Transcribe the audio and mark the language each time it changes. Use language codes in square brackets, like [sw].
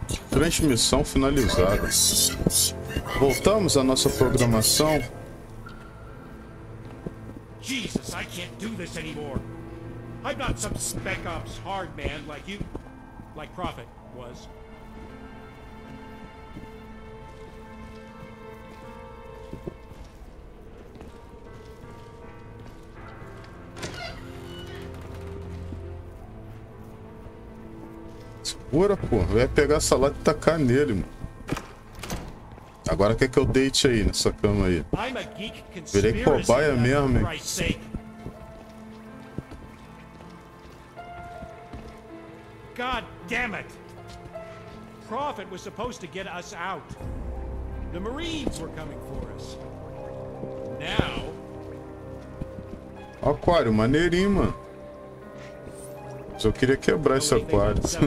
[pt] Transmissão finalizada. Voltamos à nossa programação. [en] Jesus, I can't do this anymore. I'm not some spec ops hard man like you, like Prophet was. [pt] Segura, pô. Vai pegar essa lata e tacar nele, mano. Agora quer que eu deite aí nessa cama aí. Virei cobaia mesmo, hein. [en] God damn it! Prophet was supposed to get us out. The Marines were coming for us. Now. [pt] Aquário, maneirinho, mano. Só queria quebrar esse aquário.